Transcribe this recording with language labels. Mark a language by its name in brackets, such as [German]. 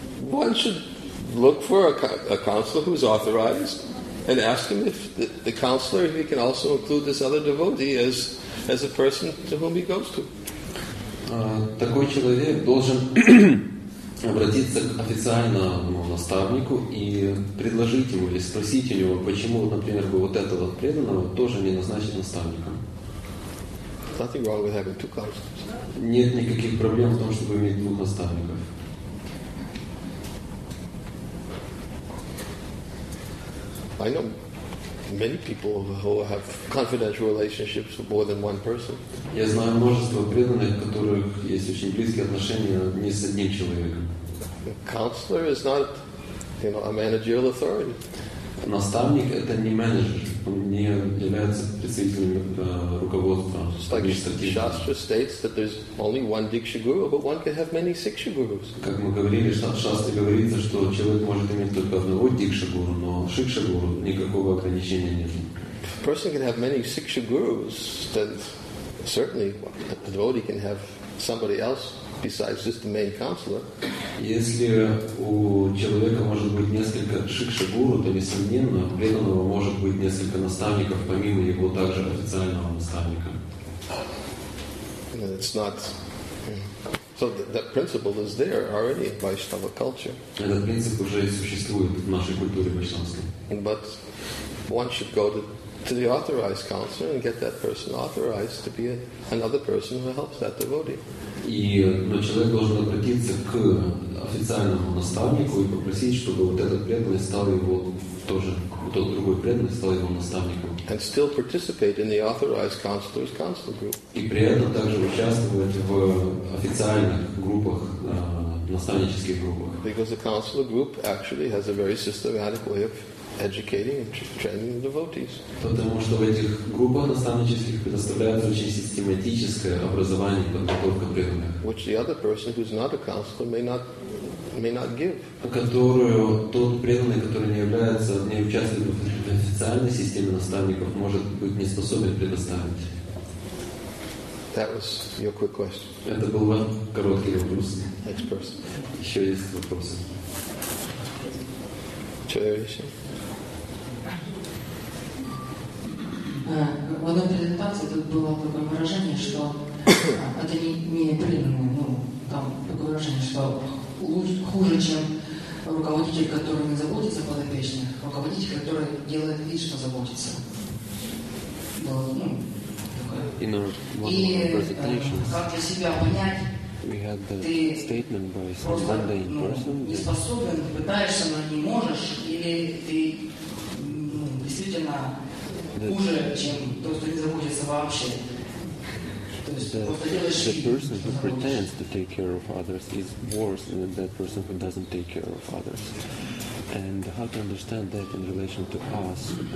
[English] One should look for a counselor who's authorized and ask him if the counselor, if he can also include this other devotee as a person to whom he goes to. [Russian] Такой человек должен обратиться к официальному наставнику и предложить ему или спросить у него, почему, например, вот этого преданного тоже не назначить наставником. [English] Nothing wrong with having two counselors. [Russian] Нет никаких проблем в том, чтобы иметь двух наставников. [English] I know many people who have confidential relationships with more than one person. [Russian] Я знаю множество преданных, у которых есть очень близкие отношения не с одним человеком. [English] A counselor is not, you know, a managerial authority. [Russian] Наставник – это не менеджер, он не является представителем руководства. [English] Just like Shastra states that there's only one Diksha Guru, but one can have many Siksha Gurus. [Russian] Как мы говорили, Шастра говорится, что человек может иметь только одного Дикша Гуру, но Шикша Гуру никакого ограничения нет. [English] If a person can have many Siksha Gurus, then certainly the devotee can have somebody else besides just the main counselor. [Russian] Если у человека может быть несколько шикша гуру, то несомненно, у преданного может быть несколько наставников, помимо его также официального наставника. [English] And it's not. So that principle is there already in Vaishnava culture. [Russian] Этот принцип уже существует в нашей культуре вайшнавской. [English] But one should go to the authorized counselor and get that person authorized to be another person who helps that devotee. [Russian] И человек должен обратиться к официальному наставнику и попросить, чтобы вот этот преданный стал его тоже, тот другой преданный стал его наставником. [English] And still participate in the authorized counselor's counselor group. [Russian] И при этом также участвовать в официальных группах, наставнических группах. [English] Because the counselor group actually has a very systematic way of educating and training the devotees. [Russian] Потому что в этих группах наставнических предоставляется очень систематическое образование, подготовка преданных. [English] Which the other person who's not a counselor may not give. [Russian] Которую тот преданный, который не является, не участвует в официальной системе наставников, может быть не способен предоставить. [English] That was your quick question. [Russian] Это был ваш короткий вопрос. [English] Next person. [Russian] Еще есть вопросы? Чаевичи. В одной презентации тут было такое выражение, что это не преданный, там такое выражение, что хуже, чем руководитель, который не заботится о подопечных, руководитель, который делает вид, что заботится. Как для себя понять? [English] We had the statement by some Sunday in person. [Russian] Ты не способен, пытаешься, но не можешь, или ты действительно [English] the person who pretends to take care of others is worse than that person who doesn't take care of others. And how to understand that in relation to us?